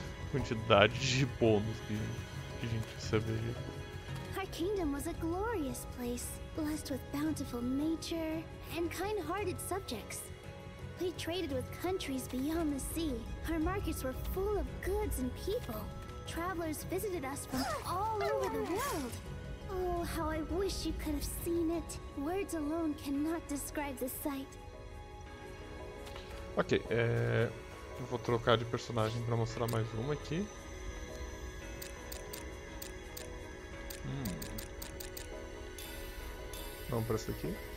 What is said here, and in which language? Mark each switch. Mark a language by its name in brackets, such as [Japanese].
[Portuguese] Quantidade de bônus que a gente recebeu. [English] Our kingdom was a glorious place, blessed with bountiful nature and kind-hearted subjects. We traded with countries beyond the sea. Our markets were full of goods and people. Travelers visited us from all over the world. Oh, how I wish you could have seen it. Words alone cannot describe the sight. [Portuguese] Ok, eu vou trocar de personagem para mostrar mais uma aqui. Vamos para essa aqui.